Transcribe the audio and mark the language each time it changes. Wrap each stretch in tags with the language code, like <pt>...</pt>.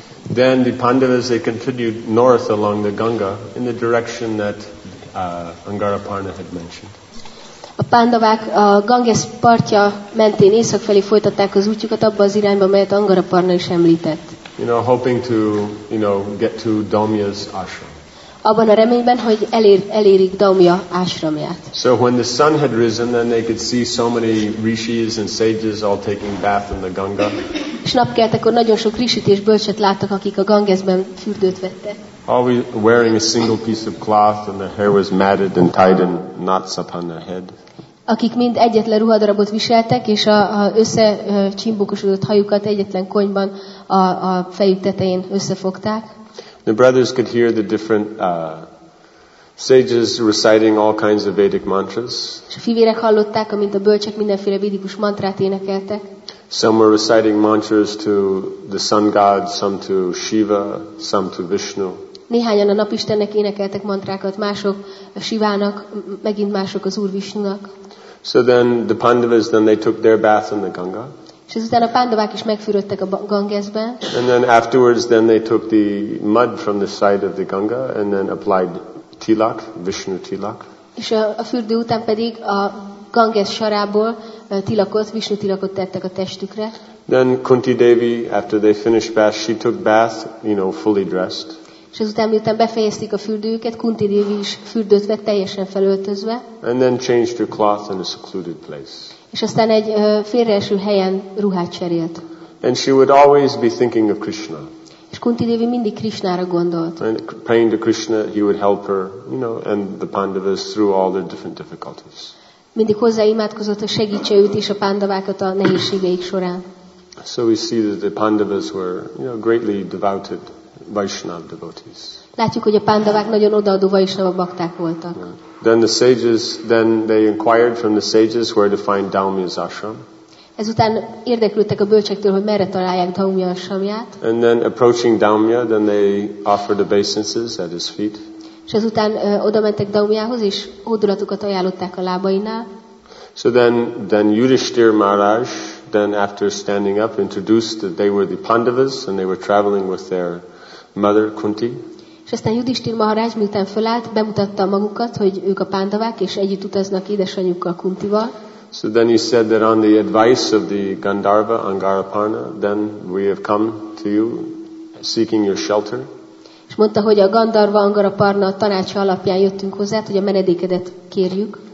<en>then the Pandavas they continued north along the Ganga in the direction that Angaraparna had mentioned.</en> <hu>A Pandavák a Ganges partja mentén észak felé folytatták az útjukat abba az irányba, melyet Angaraparna is említett.</hu> <en>You know, hoping to, you know, get to Daumya's ashram.</en> <hu>Abban a reményben, hogy elérik Daumya ásramját.</hu> <en>So when the sun had risen, then they could see so many rishis and sages all taking bath in the Ganga.</en> <hu>És napkelt, akkor nagyon sok rishit és bölcset láttak, akik a Gangesben fürdőt vettek.</hu> <en>All wearing a single piece of cloth, and their hair was matted and tied in knots upon their head.</en> <hu>Akik mind egyetlen ruhadarabot viseltek, és a össze csimbókosodott hajukat egyetlen konyban a fejük tetején összefogták.</hu> <en>The brothers could hear the different sages reciting all kinds of Vedic mantras.</en> <hu>A fivérek hallották, amint a bölcsek mindenféle védikus mantrát énekeltek.</hu> <en>Some were reciting mantras to the sun god, some to Shiva, some to Vishnu.</en> <hu>Néhányan a napistennek énekeltek mantrákat, mások a Shivának, megint mások az Úr Vishnunak.</hu> <en>So then the Pandavas, then they took their bath in the Ganga.</en> <hu>És ezután a Pandavák is megfürödtek a Gangesben.</hu> <en>And then afterwards, then they took the mud from the side of the Ganga and then applied tilak, Vishnu tilak.</en> <hu>És a fürdő után pedig a Ganges sarából tilakot, Vishnu tilakot tettek a testükre.</hu> <en>Then Kunti Devi, after they finished bath, she took bath, you know, fully dressed.</en> <hu>És ezután, miután befejezték a fürdőjüket, Kunti Devi is fürdőt vett teljesen felöltözve.</hu> <en>And then changed her cloth in a secluded place.</en> <hu>És aztán egy félreeső helyen ruhát cserélt.</hu> <en>And she would always be thinking of Krishna.</en> <hu>És Kunti Devi mindig Krishnára gondolt.</hu> <en>And praying to Krishna, he would help her, you know, and the Pandavas through all their different difficulties.</en> <hu>Mindig hozzá imádkozott, hogy segítse őt és a Pandavákat a nehézségeik során.</hu> <en>So we see that the Pandavas were, you know, greatly devoted Vaishnava devotees.</en> <hu>Látjuk, hogy a Pandavák nagyon odaadó Vaishnava bakták voltak.</hu> <en>Yeah. Then the sages, then they inquired from the sages where to find Daumya's ashram.</en> <hu>Ezután érdeklődtek a bölcsektől, hogy merre találják Daumya ashramját.</hu> <en>And then approaching Daumya, then they offered obeisances at his feet.</en> <hu>És ezután odamentek Daumyához, és hódulatukat ajánlották a lábainál.</hu> <en>So then Yudhishthir Maharaj, then after standing up, introduced that they were the Pandavas, and they were traveling with their mother Kunti.</en> <hu>És aztán Yudhishthir Maharaj, miután fölállt, bemutatta magukat, hogy ők a Pandavák, és együtt utaznak édesanyjukkal Kuntival.</hu> <en>So then he said that on the advice of the Gandharva Angaraparna, then we have come to you seeking your shelter.</en> <hu>És mondta, hogy a Gandharva Angaraparna tanácsa alapján jöttünk hozzá, hogy a menedékedet kérjük.</hu>